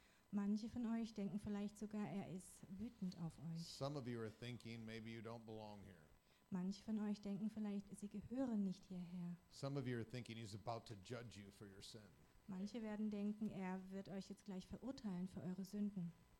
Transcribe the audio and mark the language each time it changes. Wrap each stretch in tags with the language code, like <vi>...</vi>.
<de>Manche von euch denken vielleicht sogar, er ist wütend auf euch.</de> <en>Some of you are thinking maybe you don't belong here.</en> <de>Manche von euch denken vielleicht, sie gehören nicht hierher.</de> <en>Some of you are thinking he's about to judge you for your sin.</en> <de>Manche werden denken, er wird euch jetzt gleich verurteilen für eure Sünden.</de>